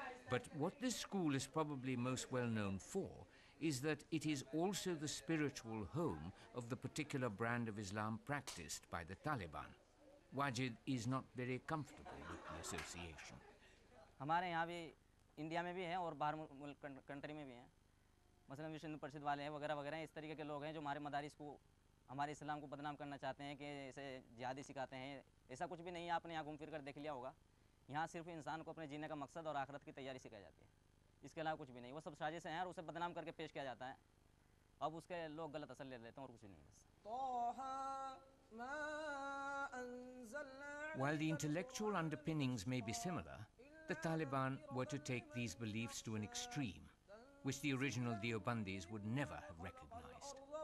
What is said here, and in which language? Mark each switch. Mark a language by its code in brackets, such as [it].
[en] But what this school is probably most well known for is that it is also the spiritual home of the particular brand of Islam practiced by the Taliban. Wajid is not very comfortable with the association. [hi] हमारे यहाँ भी India में भी हैं और बाहर मुल्क country में भी हैं मसलन विश्व हिंदू परिषद वाले हैं वगैरह वगैरह इस तरीके के लोग हैं जो हमारे मदारिस को हमारे इस्लाम को बदनाम करना चाहते हैं कि इसे जिहादी सिखाते हैं ऐसा कुछ भी नहीं आपने यहाँ घूम फिर कर देख लिया होगा यहाँ सिर्फ इंसान को अपने जीने का मकसद और आखिरत की तैयारी सिखाई जाती है इसके अलावा कुछ भी नहीं वो सब साजिश हैं और उसे बदनाम करके पेश किया जाता है अब उसके लोग गलत असर ले लेते हैं और कुछ नहीं बस [en] While the intellectual underpinnings may be similar, the Taliban were to take these beliefs to an extreme, which the original Deobandis would never have recognized.